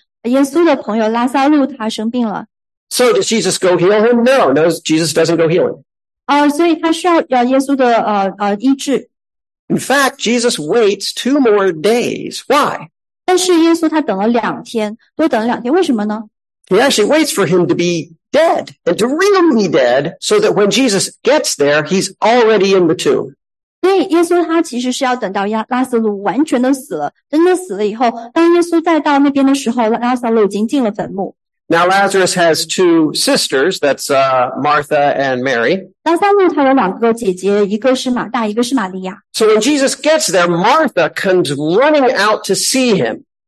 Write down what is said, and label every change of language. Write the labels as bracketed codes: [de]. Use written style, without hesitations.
[zh] 这是很有名的一段经文。耶稣的朋友拉撒路他生病了。 [en] So does Jesus go heal him? No, Jesus doesn't go healing. [zh] 所以他需要耶稣的医治。 [en] In fact, Jesus waits 2 more days. Why? [zh] 但是耶稣他等了两天，多等了两天，为什么呢？ [en] He actually waits for him to be dead, and to really dead, so that when Jesus gets there, he's already in the tomb. [zh] 对，耶稣他其实是要等到拉撒路完全的死了，真的死了以后，当耶稣再到那边的时候，拉撒路已经进了坟墓。 [en] Now Lazarus has two sisters, that's Martha and Mary. [zh] 拉撒路他有两个姐姐，一个是马大，一个是玛利亚。 [en] So when Jesus gets there, Martha comes running out to see him.